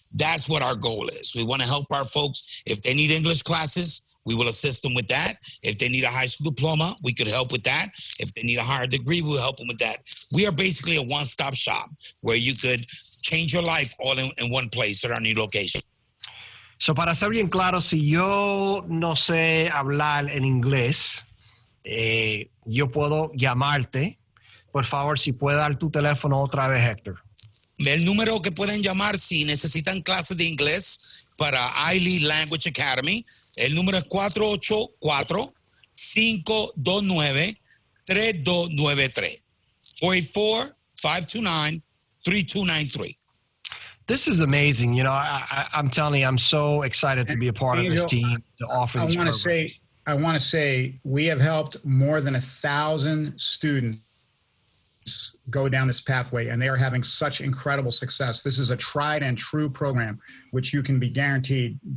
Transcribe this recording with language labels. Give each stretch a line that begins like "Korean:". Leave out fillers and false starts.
English: That's what our goal is. We want to help our folks. If they need English classes, we will assist them with that. If they need a high school diploma, we could help with that. If they need a higher degree, we'll help them with that. We are basically a one-stop shop where you could change your life all in one place at our new location.
Spanish: So, para ser bien claro, si yo no sé hablar en inglés, yo puedo llamarte. Por favor, si puede dar tu teléfono otra vez, Hector. El número que pueden llamar si necesitan clases de inglés para iLead Language Academy, el número es 484-529-3293.
English: This is amazing. You know, I'm telling you, I'm so excited to be a part of this team to offer this program. I want to say we have helped more than 1,000 students go down this pathway, and they are having such incredible success. This is a tried and true program, which you can be guaranteed.